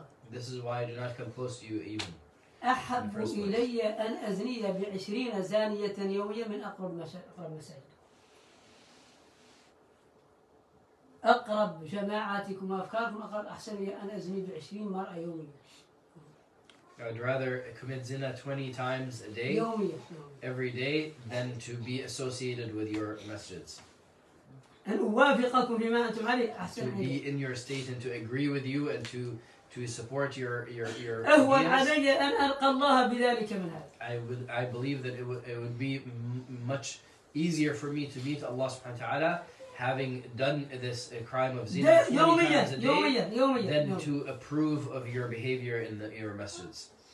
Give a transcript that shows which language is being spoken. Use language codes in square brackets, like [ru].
[en] This is why I do not come close to you even. [ar] أحب إلي أن أزني بعشرين زانية يوميا من أقرب مساجد. أقرب جماعتكم أفكاركم أقرب أحسن لي أن أزني بعشرين مرأة يوميا. [en] I'd rather commit zina 20 times a day, [ar] يوميا. [en] Every day, than to be associated with your masjids. [ar] أن أوافقكم بما أنتم عليه أحسن لي. [en] To be in your state and to agree with you and to support your [ar] أهون علي أن ألقى الله بذلك من هذا. [en] I believe that it would be much easier for me to meet Allah subhanahu wa ta'ala having done this crime of zina 20 times a day [ar] يوميا. [en] Than to approve of your behavior in the your messages.